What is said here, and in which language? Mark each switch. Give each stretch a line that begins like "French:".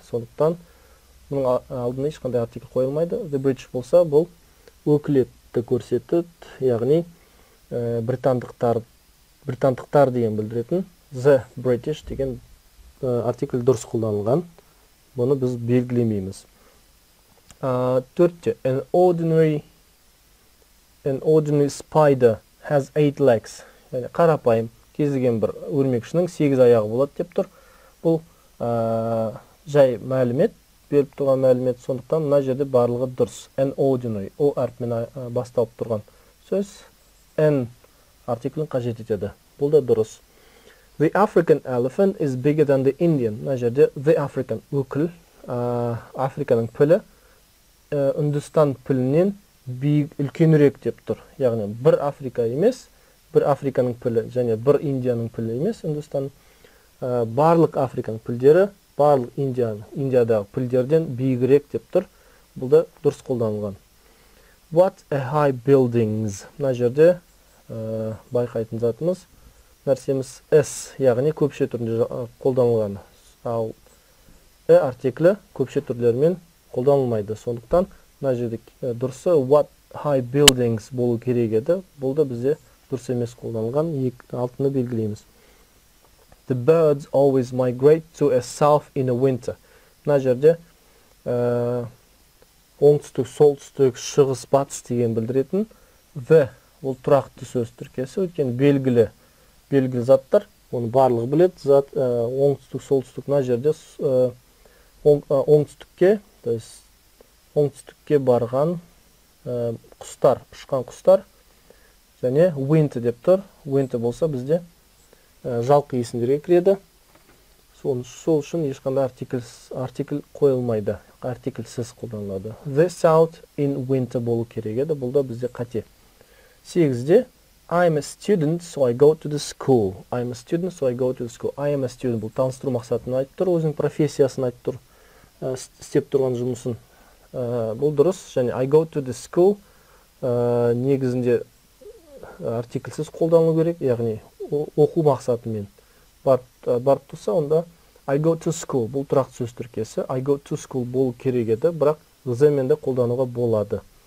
Kazakh: Сондықтан мұның алдында ешқандай артикл қойылмайды. The British болса, бұл өкілет көрсетіп, яғни британдықтар деген білдіретін the British деген артикль дұрыс қолданылған. Бұны біз белгілемейміз. Төртте,
English: an ordinary spider has 8 legs.
Kazakh: Яғни қарапайым кезіген бір өрмекшінің 8 аяғы болады деп тұр. Бұл жай мәлімет, беріп тұрған мәлімет, сондықтан мына жерде барлығы дұрыс. An ordinary, O әрпімен басталып тұрған сөз, an артиклін қажет етеді. Бұл да дұрыс.
English: The African elephant is bigger than the Indian.
Kazakh: Мына жерде the African өкіл, Африканың пілі, Үндістан пілінен үлкенірек деп тұр. Яғни бір Африка емес, бір Африканың пілі, және бір Индияның пілі емес, Үндістан. Барлық Африканың пілдері, барлық Индиядағы пілдерден бейгірек деп тұр. Бұл да дұрыс қолданылған.
English: What a high buildings.
Kazakh: Мына жерде байқайтын затымыз, нәрсеміз S, яғни көпше түрінде қолданылған. Ал E артиклі көпше түрлермен қолданылмайды. Сондықтан мына жерде дұрысы
English: what high buildings
Kazakh: болу керек еді. Бұл да бізде дұрыс емес қолданылған. Алтыны белгілейміз.
English: The birds always migrate to a south in the winter.
Kazakh: Мына жерде оңтүстік, солтүстік, шығыс, батыс деген білдіретін the ол тұрақты сөз тіркесі, өйткені белгілі белгілі заттар, оны барлығы білет, зат оңтүстік, солтүстік, мына жерде оңтүстікке,
Russian: то есть
Kazakh: оңтүстікке барған құстар, ұшқан құстар және winter деп тұр. Winter болса бізде жалқы есімдерге кіреді. Сол үшін ешқандай артикл қойылмайды, артиклсіз қолданылады.
English: The south in winter
Kazakh: болу керек еді,
English: бұл да бізде қате. 8-де I'm a student, so I go to the school. I'm a student, so I go to the school. I am a student.
Kazakh: Бұл таныстыру мақсатын айтып тұр, өзінің профессиясын айтып тұр, істеп тұрған жұмысын. Бұл дұрыс, және
English: I go to the school
Kazakh: негізінде артиклсіз қолданылу керек, яғни оқу мақсатымен барып тұрса, онда
English: I go to school,
Kazakh: бұл тұрақты сөз тіркесі, I go to school болу керек еді, бірақ the-мен де қолдануға болады.